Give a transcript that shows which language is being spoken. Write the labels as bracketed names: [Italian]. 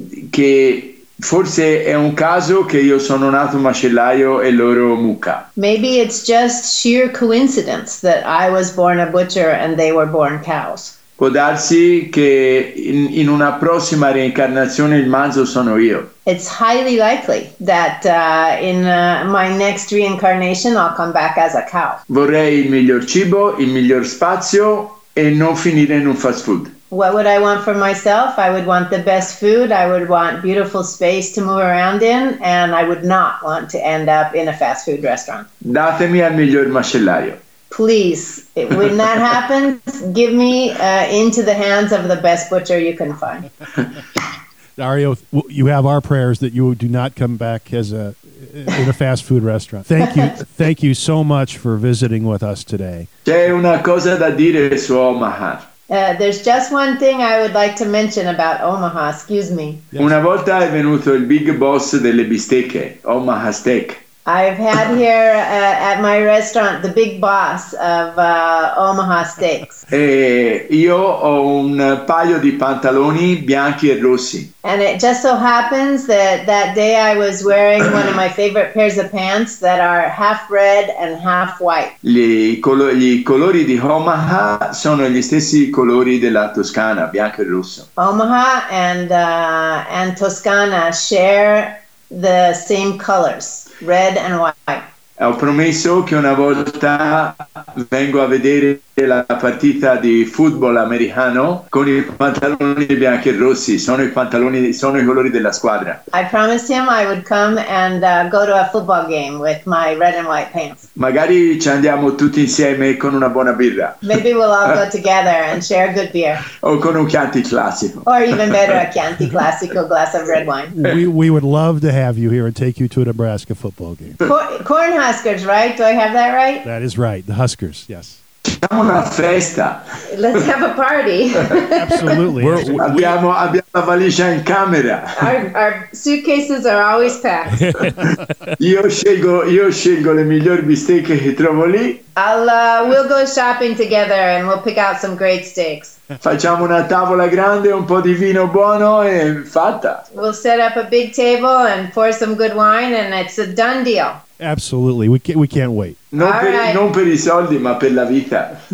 [Italian] Che forse è un caso che io sono nato macellaio e loro mucca. [English] Maybe it's just sheer coincidence that I was born a butcher and they were born cows. [Italian] Può darsi che in una prossima reincarnazione il manzo sono io. [English] It's highly likely that in my next reincarnation I'll come back as a cow. [Italian] Vorrei il miglior cibo, il miglior spazio e non finire in un fast food. [English] What would I want for myself? I would want the best food. I would want beautiful space to move around in. And I would not want to end up in a fast food restaurant. [Italian] Datemi al miglior macellaio. [English] Please, when that happens, give me into the hands of the best butcher you can find. Dario, you have our prayers that you do not come back as in a fast food restaurant. Thank you. Thank you so much for visiting with us today. [Italian] C'è una cosa da dire su Omaha. [English] There's just one thing I would like to mention about Omaha, excuse me. [Italian] Una volta è venuto il big boss delle bistecche, Omaha Steak. [English] I've had here at my restaurant the big boss of Omaha Steaks. [Italian] E io ho un paio di pantaloni bianchi e rossi. [English] And it just so happens that day I was wearing one of my favorite pairs of pants that are half red and half white. [Italian] Gli colori di Omaha sono gli stessi colori della Toscana, bianco e rosso. [English] Omaha and Toscana share the same colors. Red and white. [Italian] Ho promesso che una volta vengo a vedere della partita di football americano con i pantaloni bianchi e rossi. Sono i pantaloni, sono i colori della squadra. [English] I promised him I would come and go to a football game with my red and white pants. [Italian] Magari ci andiamo tutti insieme con una buona birra. [English] Maybe we'll all go together and share a good beer. [Italian] O con un Chianti Classico. [English] Or even better, a Chianti Classico glass of red wine. We would love to have you here and take you to a Nebraska football game. Corn Huskers, right? Do I have that right? That is right. The Huskers, yes. [Italian] Una festa. [English] Let's have a party. Absolutely. [Italian] abbiamo la valigia in camera. [English] Our suitcases are always packed. [Italian] io scelgo le migliori bistecche che trovo lì. [English] We'll go shopping together and we'll pick out some great steaks. [Italian] Facciamo una tavola grande, un po' di vino buono e fatta. [English] We'll set up a big table and pour some good wine and it's a done deal. Absolutely. We can't wait. [Italian] Non per i soldi, ma per la vita.